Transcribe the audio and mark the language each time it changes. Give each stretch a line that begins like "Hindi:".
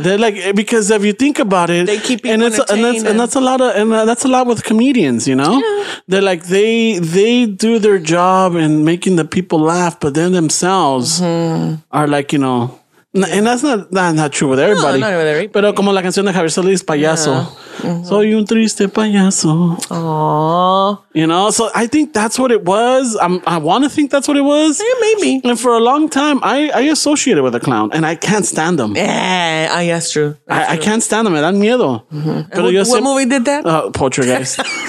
English: They're like, because if you think about it, they keep people entertained. And that's a lot with comedians, you know? Yeah. They're like, they do their job in making the people laugh, but then themselves are like, you know, and that's not true with everybody. No, not with everybody.
Spanish: Pero como la canción de Javier Solís, payaso.
English: Yeah.
Spanish: Soy un triste payaso.
English: Aww. You know, so I think that's what it was. I want to think that's what it was. Yeah, maybe. And for a long time, I associated with a clown, and I can't stand them. Yeah, that's true. I can't stand them.
Spanish: Me dan miedo. Pero
English: what movie did that? Poltergeist.